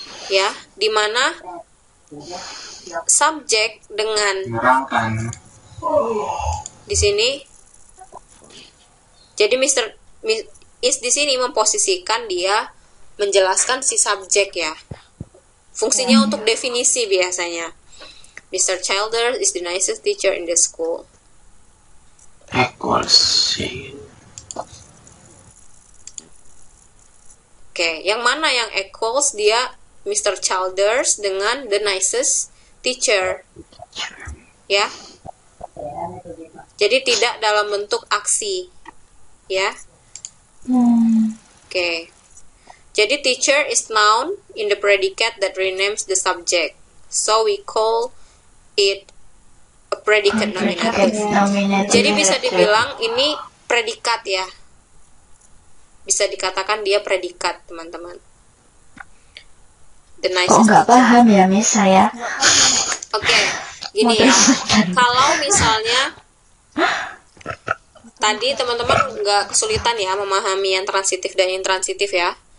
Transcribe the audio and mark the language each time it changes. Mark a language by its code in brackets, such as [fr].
[id] Ya, di mana subjek dengan di sini, jadi is di sini memposisikan dia menjelaskan si subjek ya. Fungsinya untuk definisi biasanya. [en] Mr. Childers is the nicest teacher in the school. [id] Oke, yang mana yang equals dia Mr. Childers dengan [en] the nicest teacher? [id] Ya. Jadi tidak dalam bentuk aksi. Ya. Oke. Jadi [en] teacher is noun in the predicate that renames the subject. So we call it a predicate nominative. [id] Jadi bisa dibilang ini predikat ya. Bisa dikatakan dia predikat, teman-teman. [en] The nicest. [id] Oh, enggak paham ya, Miss, saya. Oke. Okay. Gini ya. Kalau misalnya tadi teman-teman enggak kesulitan ya memahami yang transitif dan intransitif ya.